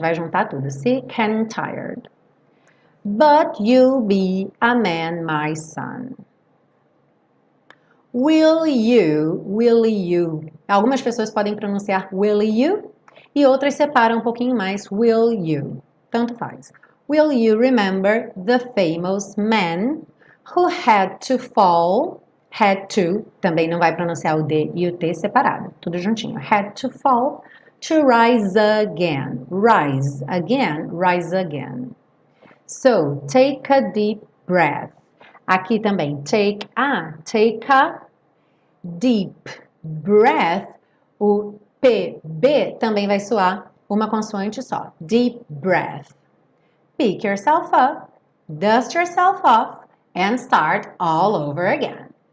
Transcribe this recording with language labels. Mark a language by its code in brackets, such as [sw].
[pt] Vai juntar tudo. [en] Sick and tired. But you'll be a man, my son. Will you? [pt] Algumas pessoas podem pronunciar will you? E outras separam um pouquinho mais, will you? Tanto faz. [en] Will you remember the famous man who had to fall? [pt] Had to, também não vai pronunciar o D e o T separado, tudo juntinho. [en] Had to fall to rise again. Rise again, rise again. So, take a deep breath. [pt] Aqui também, take a deep breath, o B também vai soar uma consoante só. [en] Deep breath. Pick yourself up, dust yourself off, and start all over again.